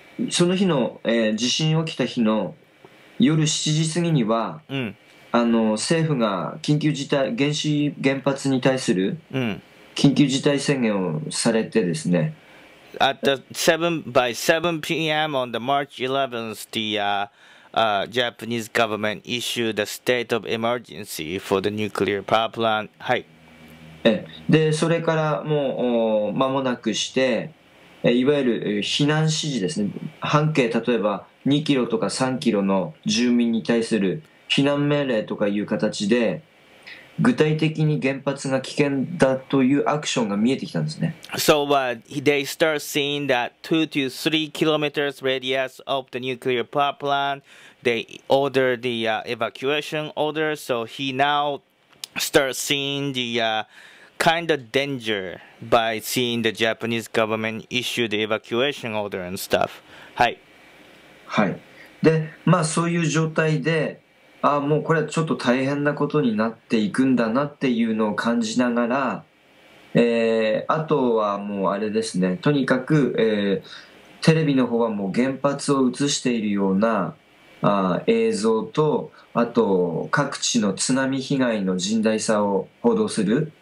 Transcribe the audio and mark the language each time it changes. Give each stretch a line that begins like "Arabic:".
Japanese: その日の、地震起きた日の夜7時過ぎには、うん、あの政府が緊急事態原子原発に対する緊急事態宣言をされてですね。
English: At the 7 p.m. on the March 11th, the Japanese government issued a state of emergency for the nuclear power plant.
Japanese: はい。でそれからもう間もなくして。いわゆる避難指示ですね。半径例えば2キロとか3キロの住民に対する避難命令とかいう形で具体的に原発が危険だというアクションが見えてきたんですね。
English: So、they start seeing that 2 to 3 kilometers radius of the nuclear power plant. They order the evacuation order. So he now starts seeing the kind of danger by seeing the Japanese government issue the evacuation order and stuff.
Japanese: はい。はい。で、まあそういう状態で、あ、もうこれはちょっと大変なことになっていくんだなっていうのを感じながら、あとはもうあれですね、とにかく、テレビの方はもう原発を映しているような、映像と、あと各地の津波被害の甚大さを報道する。